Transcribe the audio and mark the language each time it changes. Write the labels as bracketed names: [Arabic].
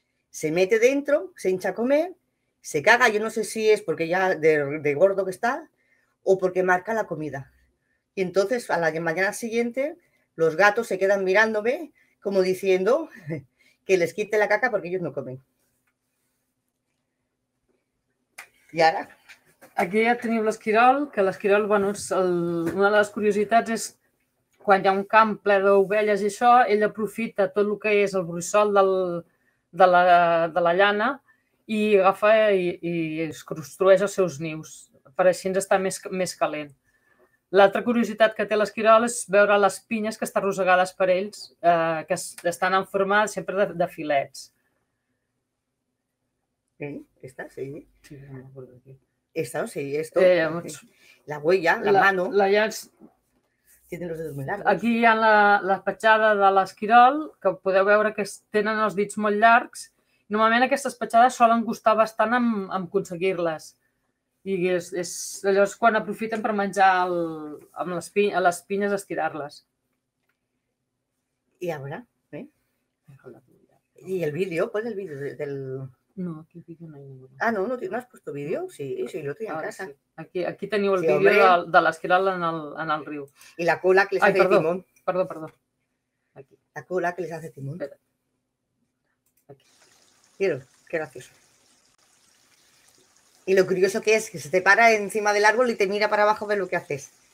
[Spanish] Se mete dentro, se hincha a comer, se caga. Yo no sé si es porque ya de gordo que está o porque marca la comida. Y entonces a la mañana siguiente los gatos se quedan mirándome como diciendo que les quite la caca porque ellos no comen. ¿Y ahora? [Catalan] Aquí ja tenim l'esquirol, que l'esquirol, bueno, una de les curiositats és quan hi ha un camp ple d'ovelles i això, ell aprofita tot el que és el bruixol de la llana i agafa i es construeix els seus nius. Per així ens està més calent. L'altra curiositat que té l'esquirol és veure les pinyes que estan rosegades per ells, que estan en forma sempre de filets. Està, sí. [Spanish] Sí, esta, o sea, esto, la huella, la mano, la llans, tienen los dedos muy largos. [Catalan] Aquí hi ha la petjada de l'esquirol, que podeu veure que tenen els dits molt llargs. Normalment aquestes petjades solen costar bastant en aconseguir-les. I és allò és quan aprofiten per menjar amb les pinyes, estirar-les. I ara, I el vídeo, pues el vídeo del... No, aquí el vídeo no hi ha. Ah, no has posat vídeo? Sí, sí, lo tenia a casa. Sí. Aquí teniu el vídeo de l'esquirol en el riu. [Spanish] I la cola que les hace Timón. [Catalan] Perdó. Aquí. [Spanish] La cola que les hace Timón. Aquí. Mira, qué gracioso. Y lo curioso que es que se te para encima del árbol y te mira para abajo a ver lo que haces.